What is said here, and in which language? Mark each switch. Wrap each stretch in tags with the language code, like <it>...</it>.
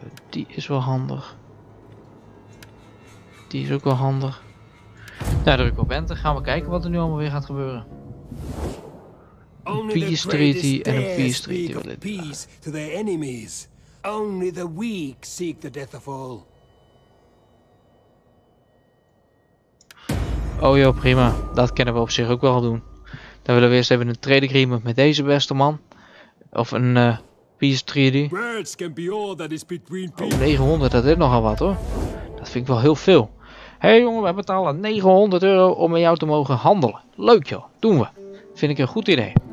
<nl>Die is wel handig. Die is ook wel handig. Daar druk ik op enter. Gaan we kijken wat er nu allemaal weer gaat gebeuren. Peace treaty en een peace treaty.</nl> <en>Peace to their enemies. Only the weak seek the death of all.</en> <nl>Oh joh, prima. Dat kunnen we op zich ook wel doen. Dan willen we eerst even een trade agreement met deze beste man. Of een peace treaty. Oh, 900, dat is nogal wat hoor. Dat vind ik wel heel veel. Hé hey, jongen, we betalen €900 om met jou te mogen handelen. Leuk joh, doen we. Vind ik een goed idee.</nl>